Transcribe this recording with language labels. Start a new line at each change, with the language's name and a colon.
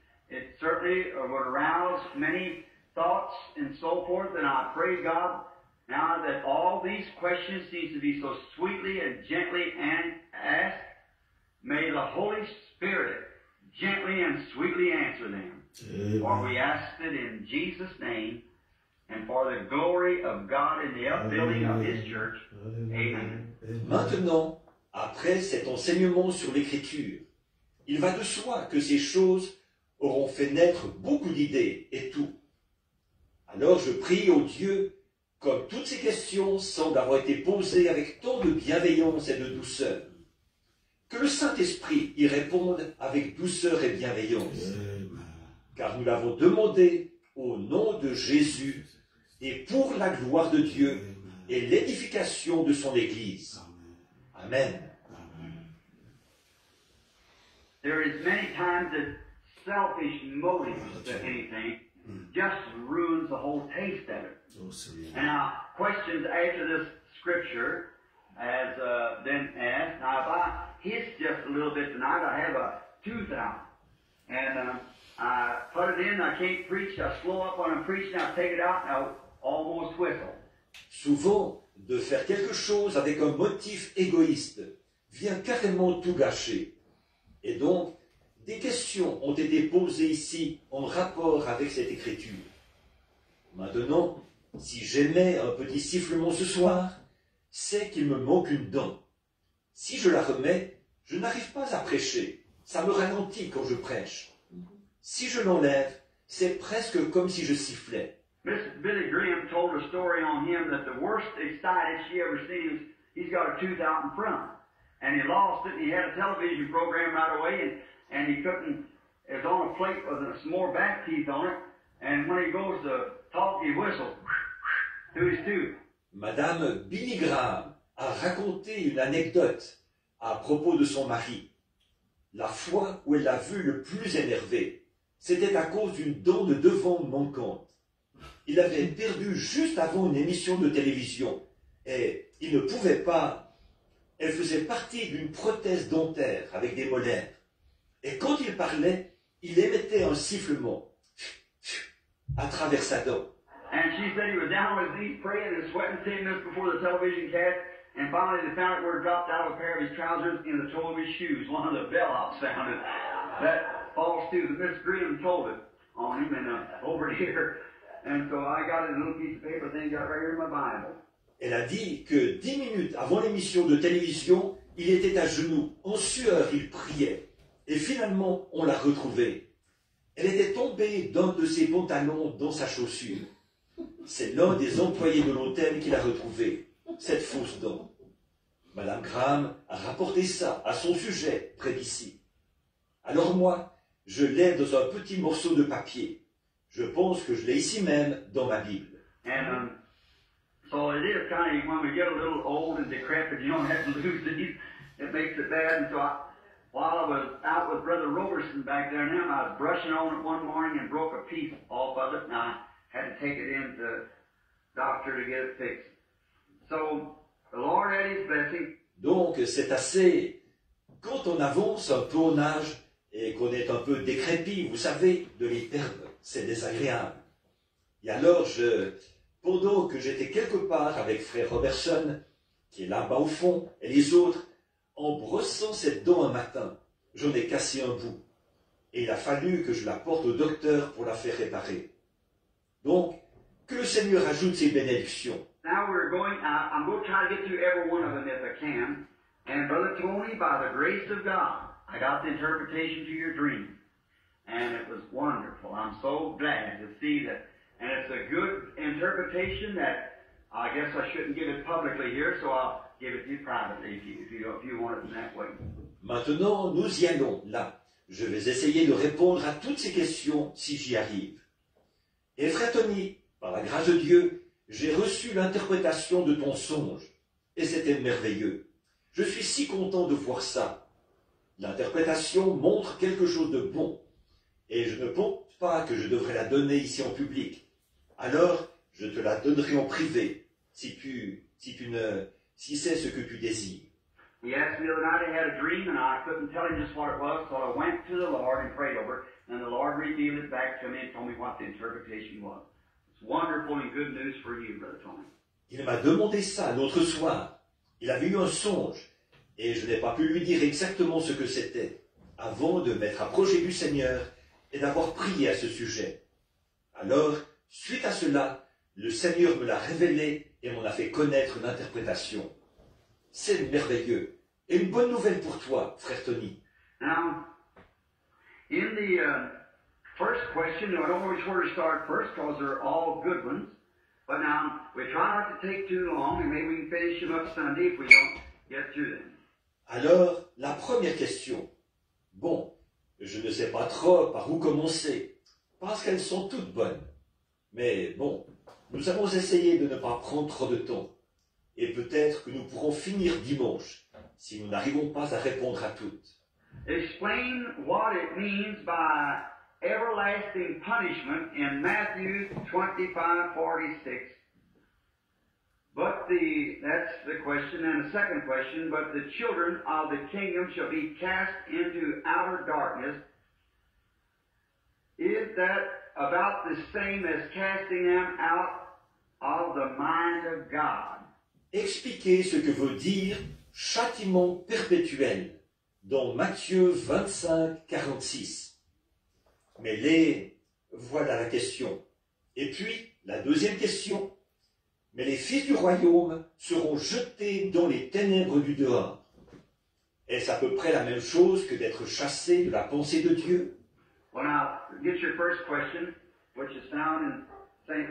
English: It certainly would arouse many thoughts and so forth, and I pray God now that all these questions seem to be so sweetly and gently asked, may the Holy Spirit gently and sweetly answer them. Amen. For we ask it in Jesus' name and for the glory of God in the upbuilding Alleluia. Of His church. Alleluia. Amen.
French: Maintenant, après cet enseignement sur l'Écriture, il va de soi que ces choses auront fait naître beaucoup d'idées et tout. Alors je prie au Dieu, comme toutes ces questions semblent avoir été posées avec tant de bienveillance et de douceur, que le Saint-Esprit y réponde avec douceur et bienveillance. Car nous l'avons demandé au nom de Jésus et pour la gloire de Dieu et l'édification de son Église. Amen.
English: There is many times that selfish motives to anything just ruins the whole taste of it. And now, questions after this scripture has been asked. Now, if I hiss just a little bit tonight, I have a tooth out. And I put it in, I can't preach, I slow up when I'm preaching, I take it out, and I almost whistle.
French: Souvent, de faire quelque chose avec un motif égoïste vient carrément tout gâcher. Et donc, Des questions ont été posées ici en rapport avec cette écriture. Maintenant, si j'émets un petit sifflement ce soir, c'est qu'il me manque une dent. Si je la remets, je n'arrive pas à prêcher. Ça me ralentit quand je prêche. Si je l'enlève, c'est presque comme si je sifflais.
English: Mr. Billy Graham told a story on him that the worst excited she ever seen is he's got a tooth out in front. And he lost it and he had a television program right away and he couldn't, it was on a plate with some more back teeth on it. And when he goes to talk, he whistles through his tooth.
French: Madame Billy Graham a raconté une anecdote à propos de son mari. La fois où elle l'a vu le plus énervé, c'était à cause d'une dent de devant manquante. Il l'avait perdue juste avant une émission de télévision et il ne pouvait pas. Elle faisait partie d'une prothèse dentaire avec des molaires. Et quand il parlait, il émettait un sifflement à travers sa dent.
English: And she said he was down on his knees praying and sweating 10 minutes before the television cast. And finally the sound word dropped out of a pair of his trousers in the toe of his shoes. One of the bellhops sounded. That false tooth that Miss Graham told it on him and over here. And so I got it in a little piece of paper thing, got right here in my Bible.
French: Elle a dit que 10 minutes avant l'émission de télévision, il était à genoux. En sueur, il priait. Et finalement, on l'a retrouvé. Elle était tombée d'un de ses pantalons dans sa chaussure. C'est l'un des employés de l'hôtel qui l'a retrouvé, cette fausse dent. Madame Graham a rapporté ça à son sujet près d'ici. Alors moi, je l'ai dans un petit morceau de papier. Je pense que je l'ai ici même dans ma Bible.
English: And, so it is kind of when we get a little old and decrepit, you don't have to lose it. It makes it bad. And so while I was out with Brother Roberson back there and him, I was brushing on it one morning and broke a piece off of it. And I had to take it in to the doctor to get it fixed. So the Lord had his blessing.
French: Donc c'est assez. Quand on avance un peu en âge et qu'on est un peu décrépit, vous savez, de l'éternel, c'est désagréable. Et alors je. Pendant que j'étais quelque part avec Frère Robertson, qui est là-bas au fond, et les autres, en brossant cette dent un matin, j'en ai cassé un bout. Et il a fallu que je la porte au docteur pour la faire réparer. Donc, que le Seigneur ajoute ses bénédictions.
English: Now we're going, I'm going to try to get through every one of them if I can. And Brother Tony, by the grace of God, I got the interpretation to your dream. And it was wonderful. I'm so glad to see that. And it's a good interpretation that I guess I shouldn't give it publicly here, so I'll give it to you privately if you want it in that way.
French: Maintenant, nous y allons, là. Je vais essayer de répondre à toutes ces questions si j'y arrive. Et Frère Tony, par la grâce de Dieu, j'ai reçu l'interprétation de ton songe. Et c'était merveilleux. Je suis si content de voir ça. L'interprétation montre quelque chose de bon. Et je ne pense pas que je devrais la donner ici en public. Alors, je te la donnerai en privé, si c'est ce que tu désires.
English: He asked me the other night, I had a dream and I couldn't tell him just what it was, so I went to the Lord and prayed over it, and the Lord revealed it back to me and told me what the interpretation was. It's wonderful and good news for you, Brother Tony.
French: Il m'a demandé ça l'autre soir. Il avait eu un songe, et je n'ai pas pu lui dire exactement ce que c'était, avant de m'être approché du Seigneur, et d'avoir prié à ce sujet. Alors, suite à cela, le Seigneur me l'a révélé et m'en a fait connaître l'interprétation. C'est merveilleux et une bonne nouvelle pour toi, frère Tony.
English: Now, in the first question, I don't know which order to start first, because they're all good ones. But now, we try not to take too long, and maybe we can finish them up Sunday if we don't get through them.
French: Alors, la première question. Bon. Je ne sais pas trop par où commencer, parce qu'elles sont toutes bonnes. Mais bon, nous avons essayé de ne pas prendre trop de temps. Et peut-être que nous pourrons finir dimanche, si nous n'arrivons pas à répondre à toutes.
English: Explain what it means by everlasting punishment in Matthew 25:46. But that's the question, and the second question, but the children of the kingdom shall be cast into outer darkness. Is that about the same as casting them out of the mind of God?
French: Expliquez ce que veut dire châtiment perpétuel. dans Matthieu 25, 46. Mais les... voilà la question. Et puis, la deuxième question. Mais les fils du royaume seront jetés dans les ténèbres du dehors. Est-ce à peu près la même chose que d'être chassé de la pensée de Dieu?
English: Well, now, get your first question, which is found in St.